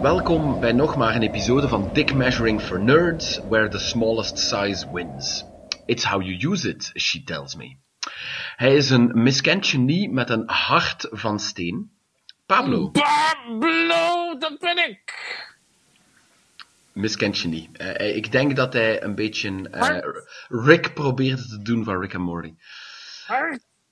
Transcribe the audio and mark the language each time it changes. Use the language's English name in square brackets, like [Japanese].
[Dutch] Welkom bij nog maar een episode van Dick Measuring for Nerds, [English] where the smallest size wins. It's how you use it, she tells me. [Dutch] Hij is een miskend genie met een hart van steen. Pablo. Pablo, dat ben ik. Miskend genie. Ik denk dat hij een beetje Rick probeert te doen van Rick en Morty. Hart.